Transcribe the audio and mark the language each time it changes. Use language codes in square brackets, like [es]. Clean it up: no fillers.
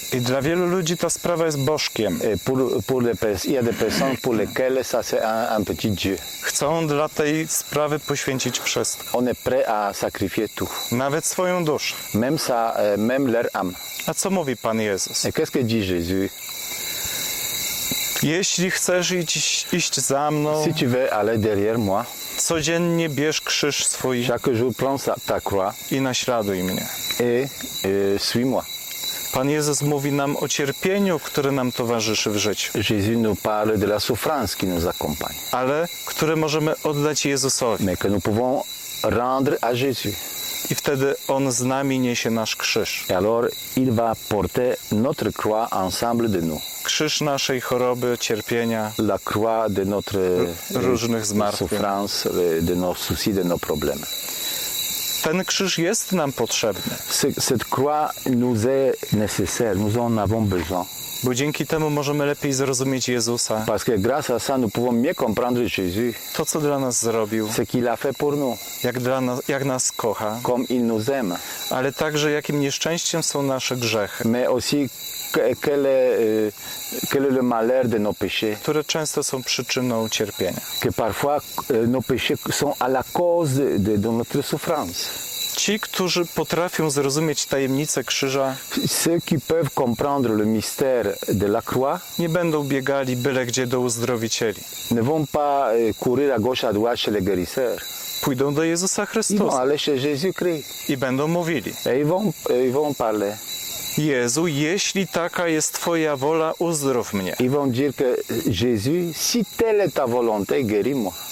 [pl] I dla wielu ludzi ta sprawa jest bożkiem. [fr] Il y a des personnes pour lesquelles ça c'est un petit dieu. [pl] Chcą dla tej sprawy poświęcić wszystko. [fr] On est prêt à sacrifier tout. [pl] Nawet swoją duszę. [fr] Même ça, même leur âme. [pl] A co mówi Pan Jezus? [fr] Et qu'est-ce que dit Jésus? [pl] Jeśli chcesz iść za mną, [fr] si tu veux aller derrière moi, [pl] codziennie bierz krzyż swój, [fr] chaque jour prends ta croix, [pl] i naśladuj mnie. [fr] Et suis-moi. [pl] Pan Jezus mówi nam o cierpieniu, które nam towarzyszy w życiu. [fr] Jésus nous parle de la souffrance qui nous accompagne. [pl] Ale które możemy oddać Jezusowi. [fr] Mais que nous pouvons rendre à Jésus. [pl] I wtedy On z nami niesie nasz krzyż. [fr] Et alors, il va porter notre croix ensemble de nous. [pl] Krzyż naszej choroby, cierpienia. [fr] La croix de notre [pl] różnych zmartwień. [fr] Souffrance, de nos soucis, de nos problèmes. [pl] Ten krzyż jest nam potrzebny. [fr] Cette croix nous est nécessaire. Nous en avons besoin. [pl] Bo dzięki temu możemy lepiej zrozumieć Jezusa. [fr] Parce que grâce à ça, nous pouvons mieux comprendre Jésus. [pl] To, co dla nas zrobił. [fr] Ce qu'il a fait pour nous. [pl] Jak nas kocha. [fr] Comme il nous aime. [pl] Ale także, jakim nieszczęściem są nasze grzechy. [fr] Mais aussi, quel est le malheur de nos péchés. [pl] Które często są przyczyną cierpienia. [fr] Que parfois, nos péchés sont à la cause de notre souffrance. [pl] Ci, którzy potrafią zrozumieć tajemnicę krzyża, [fr] ceux qui peuvent comprendre le mystère de la croix, [pl] nie będą biegali byle gdzie do uzdrowicieli. [fr] Ne vont pas courir à gauche à droite chez les guérisseurs. [pl] Pójdą do Jezusa Chrystusa. [fr] Non, [pl] ale [fr] chez Jésus-Christ. [pl] I będą mówili. [fr] Et ils vont parler. [pl] Jezu, jeśli taka jest Twoja wola, uzdrow mnie. [fr] Ils vont dire que Jésus, si telle est ta volonté, guéris-moi.